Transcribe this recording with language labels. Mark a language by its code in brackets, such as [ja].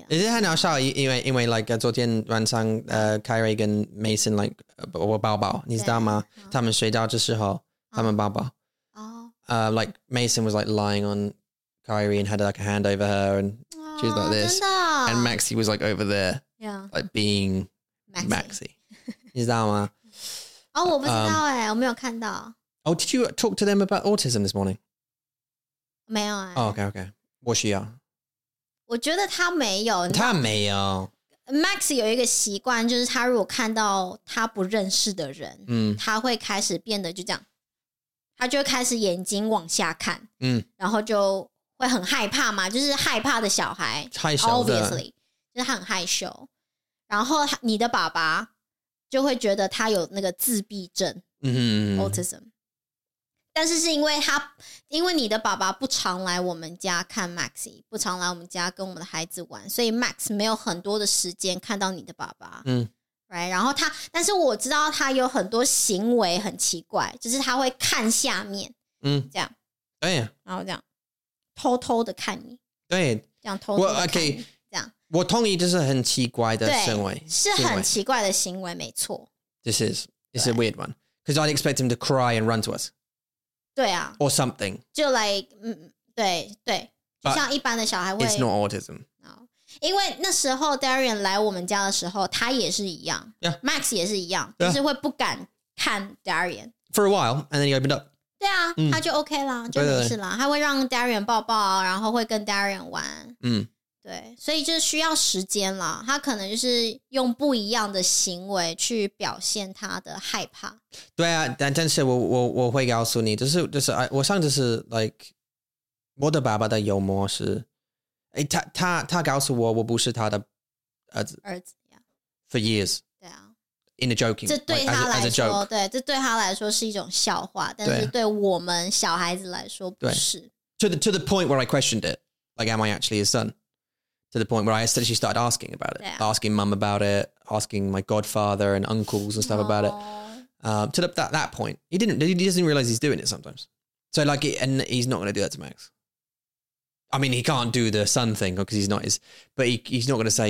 [en] 了 Is it [zh] 很好笑因为 [en] like [zh] 昨天晚上 [en] Kyrie 跟 Mason like [zh] 我抱抱你知道吗他们睡觉的时候他们抱抱 [en] like Mason was like lying on Kyrie and had like a hand over her and she was like this and Maxie was like over there yeah like being Maxie [zh] 你知道吗哦我不知道耶我没有看到 [en] Oh did you talk to them about autism this morning? [zh] 没有啊、 [en] 欸。Oh, okay. [zh] 我需要。我觉得他没有。他没有。 Max 有一个习惯就是他如果看到他不认识的人、嗯、他会开始变得就这样。他就会开始眼睛往下看、嗯、然后就会很害怕嘛就是害怕的小孩。害羞的。 Obviously, 就是他很害羞。然后你的爸爸就会觉得他有那个自闭症。嗯、 [en] Autism。 [zh] 但是是因为你的爸爸不常来我们家看 Maxi 不常来我们家跟我们的孩子玩所以 Max 没有很多的时间看到你的爸爸嗯 right 然后他但是我知道他有很多行为很奇怪就是他会看下面嗯这样对然后这样偷偷的看你对这样偷偷的看你 [en] okay, [zh] 这样我同意这是很奇怪的行为是很奇怪的行为没错 [en] This is a weird one because I'd expect him to cry and run to us [zh] 对啊 [en] or something [zh] 就 like 对对就像一般的小孩会 [en] it's not autism、no. [zh] 因为那时候 Darian 来我们家的时候他也是一样、 [en] yeah. [zh] Max 也是一样、yeah. 就是会不敢看 Darian [en] for a while and then he opened up [zh] 对啊、嗯、他就 OK 啦就没事啦对对对他会让 Darian 抱抱然后会跟 Darian 玩嗯对所以就需要时间啦他可能就是用不一样的行为去表现他的害怕对啊但是 我会告诉你就是我上次是 like 我的爸爸的幽默是、欸、他告诉我我不是他的儿子、 [en] yeah. for years in a joking [zh] 这对他来说 [en] like, as a joke. [zh] 对这对他来说是一种笑话但是对我们小孩子来说不是 [en] to the point where I questioned it like am I actually his son to the point where I actually started asking about it、啊、 asking mum about it asking my godfather and uncles and stuff、 Aww. About it、to the, that point he doesn't realize he's doing it sometimes so like and he's not going to do that to Max I mean he can't do the son thing because he's not his but he's not going to say、